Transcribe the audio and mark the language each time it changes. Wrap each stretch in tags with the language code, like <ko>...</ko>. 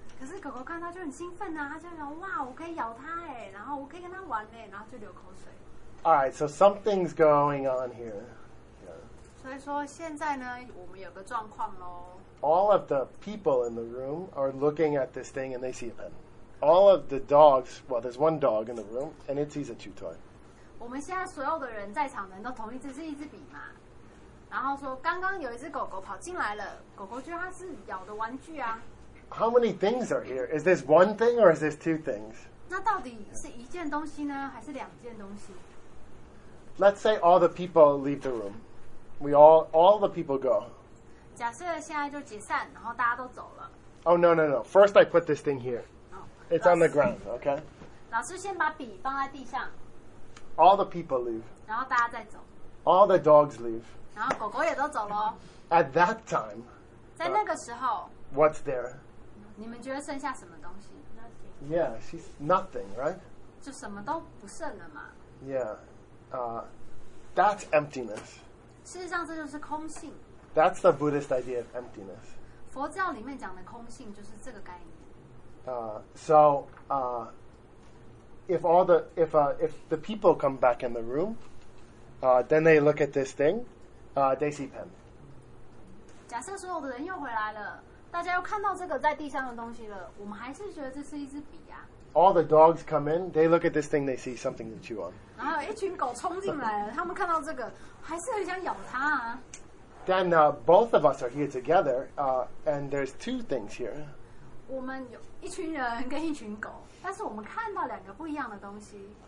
<zh>可是狗狗看到就很兴奋啊，它就想，哇，我可以咬它哎，然后我可以跟它玩哎，然后就流口水。</zh> <en>All right, so something's going on here. Yeah.</en> <zh>所以说现在呢，我们有个状况咯。</zh> <en>All of the people in the room are looking at this thing and they see a pen. All of the dogs, well, there's one dog in the room and it sees a chew toy.</en> <zh>我们现在所有的人在场人都同意这是一支笔嘛？然后说刚刚有一只狗狗跑进来了，狗狗觉得它是咬的玩具啊。</zh> <en>How many things are here? Is this one thing or is this two things?</en> <zh>那到底是一件东西呢，还是两件东西</zh> <en>？Let's say all the people leave the room. We all the people go.</en> <zh>假设现在就解散，然后大家都走了。</zh> <en>Oh no no no! First I put this thing here. It's on the ground. Okay.</en> <zh>老师先把笔放在地上。</zh> <en>All the people leave.</en> <zh>然后大家再走。</zh> <en>All the dogs leave.</en> <zh>然后狗狗也都走咯。</zh> <en>At that time.</en> <zh>在那个时候。</zh> <en>What's there?</en> <zh>你们觉得剩下什么东西</zh> <en>？Nothing. Yeah, she's nothing, right?</en> <zh>就什么都不剩了嘛。</zh> <en>Yeah, that's emptiness.</en> <zh>事实上，这就是空性。</zh> <en>That's the Buddhist idea of emptiness.</en> <zh>佛教里面讲的空性就是这个概念。</zh> <en>If the people come back in the room, Then they look at this thing. They see Pim.</en> <zh>假设所有的人又回来了，大家又看到这个在地上的东西了，我们还是觉得这是一支笔啊。</zh> <en>All the dogs come in. They look at this thing. They see something to chew on.</en> <zh>然后一群狗冲进来了，他们看到这个还是很想咬它啊。</zh> <en>Then both of us are here together, and there's two things here.</en> <zh>我们有一群人跟一群狗，但是我们看到两个不一样的东西。</zh>